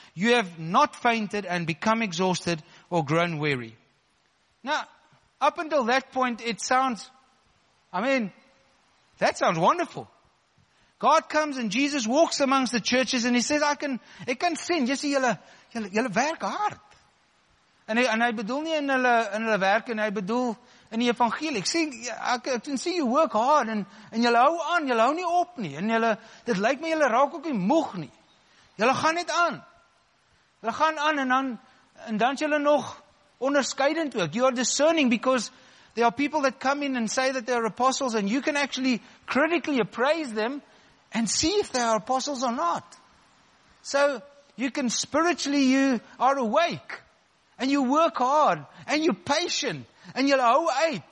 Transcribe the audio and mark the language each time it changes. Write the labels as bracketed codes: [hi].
[en] You have not fainted and become exhausted or grown weary. Now, up until that point, that sounds wonderful. God comes and Jesus walks amongst the churches and he says, I can sin. Just see [af] hulle werk hard. En hy bedoel nie in hulle werk, en hy bedoel in die evangelie. Ek sien [en] you work hard [af] en julle hou aan, julle hou nie op nie. En julle, dit lyk my julle raak ook nie moeg nie. Julle gaan net aan. Julle gaan aan en dan julle nog onderskeidend ook. [en] You are discerning because there are people that come in and say that they are apostles, and you can actually critically appraise them and see if they are apostles or not. So you can spiritually, you are awake and you work hard and you're patient and you're like, oh, eight.